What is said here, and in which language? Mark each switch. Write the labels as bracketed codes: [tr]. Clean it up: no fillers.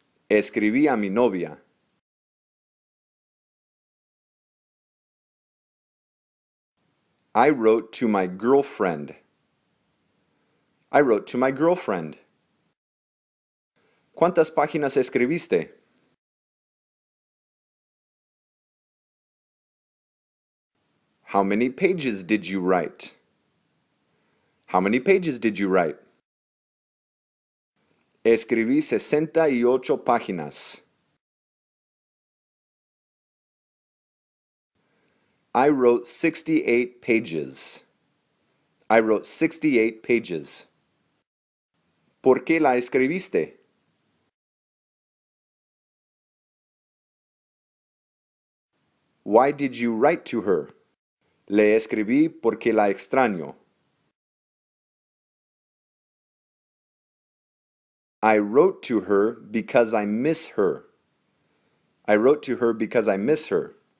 [es] Escribí a mi novia. [en] I wrote to my girlfriend. I wrote to my girlfriend. [es] ¿Cuántas páginas escribiste? [en] How many pages did you write? How many pages did you write? [es] Escribí 68 páginas. [en] I wrote 68 pages. I wrote 68 pages. [es] ¿Por qué la escribiste? [en] Why did you write to her? [es] Le escribí porque la extraño. [en] I wrote to her because I miss her. I wrote to her because I miss her.